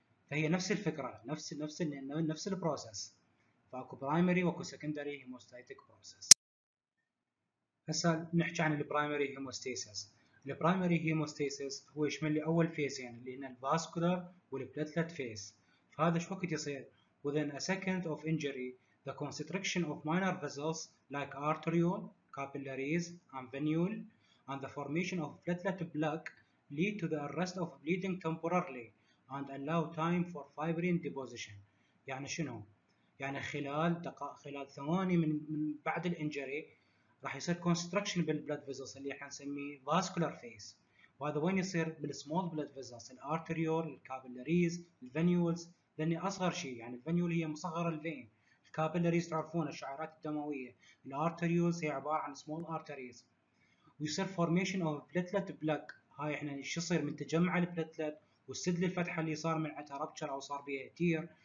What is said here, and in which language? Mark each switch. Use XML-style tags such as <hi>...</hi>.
<ar>فهي نفس الفكره نفس البروسيس. فاكو برايمري واكو سكندري هيموستاتيك بروسيس. هسه نحكي عن البرايمري هيموستاسيس. البرايمري هيموستاسيس هو يشمل لي اول فيزين اللي هنا الفاسكولار والبلاتلت فيز. فهذا شو وقت يصير؟</ar> <en>within a second of injury the constriction of minor vessels like arteriole, capillaries and venule and the formation of platelet plug lead to the arrest of bleeding temporarily and allow time for fibrin deposition.</en> <ar>يعني شنو؟ يعني خلال دقائق خلال ثواني من بعد الانجري راح يصير constriction بالblood vessels اللي احنا نسميه vascular phase. وهذا وين يصير؟ بالsmall blood vessels الarteriole, capillaries, venules. لاني اصغر شيء يعني الفنيول هي مصغر الفين. الكابيلاريز تعرفون الشعيرات الدمويه. الارتريولز هي عباره عن سمول ارتريز. ويصير</ar> <en>Formation of platelet plug.</en> <ar>هاي احنا شو يصير من تجمع البلتلت والسدل الفتحه اللي صار من عندها ربشر او صار بيها تير.</ar>